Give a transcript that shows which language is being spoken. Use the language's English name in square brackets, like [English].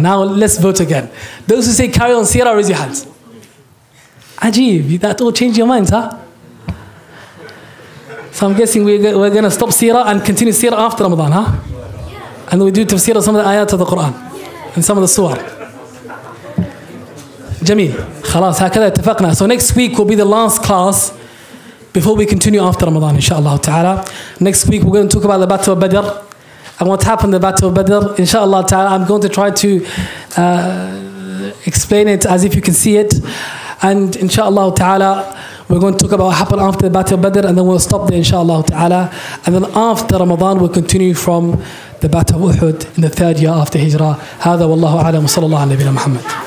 [English] Now let's vote again. Those who say carry on Seerah, raise your hands. Ajib, that will change your minds, huh? So I'm guessing we're going to stop Seerah and continue Seerah after Ramadan, huh? And we do tafsir of some of the ayat of the Quran and some of the surah. [Arabic] Jameel, خلاص هكذا اتفقنا. [English] So next week will be the last class before we continue after Ramadan, inshallah ta'ala. Next week we're going to talk about the Battle of Badr and what happened in the Battle of Badr. Inshallah ta'ala, I'm going to try to explain it as if you can see it. And inshallah ta'ala, we're going to talk about what happened after the Battle of Badr and then we'll stop there, inshallah ta'ala. And then after Ramadan, we'll continue from the Battle of Uhud in the third year after Hijrah. [Arabic] هذا والله أعلم وصلى الله على نبينا محمد.